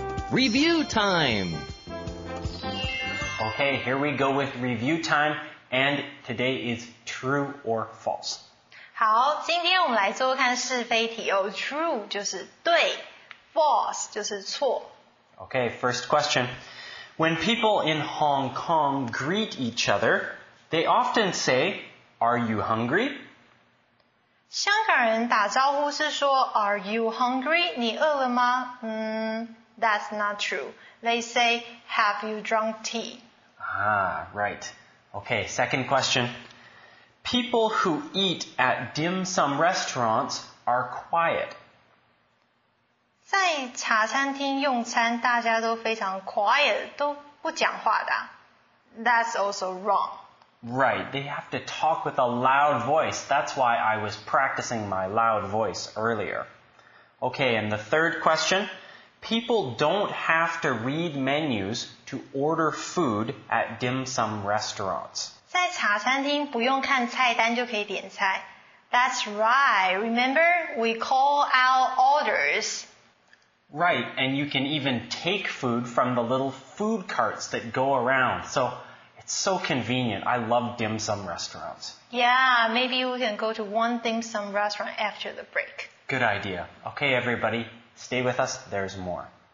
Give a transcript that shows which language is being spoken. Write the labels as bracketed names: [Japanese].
[English] Review time! Okay, here we go with review time, and today is true or false. [Chinese] 好，今天我们来做看是非题哦。 True 就是对。False 就是错。 [English] Okay, first question. When people in Hong Kong greet each other, they often say, "Are you hungry?" [Chinese] 香港人打招呼是说 [English] "Are you hungry?" [Chinese] 你饿了吗？ [English] That's not true. They say, "Have you drunk tea?" Ah, right. Okay, second question. People who eat at dim sum restaurants are quiet. [Chinese] 在茶餐厅用餐，大家都非常 quiet， 都不讲话的。 [English] That's also wrong. Right, they have to talk with a loud voice. That's why I was practicing my loud voice earlier. Okay, and the third question. People don't have to read menus to order food at dim sum restaurants. [Chinese] 在茶餐厅不用看菜单就可以点菜。 [English] That's right. Remember, we call out orders. Right, and you can even take food from the little food carts that go around. So, it's so convenient. I love dim sum restaurants. Yeah, maybe we can go to one dim sum restaurant after the break. Good idea. Okay, everybody, stay with us. There's more.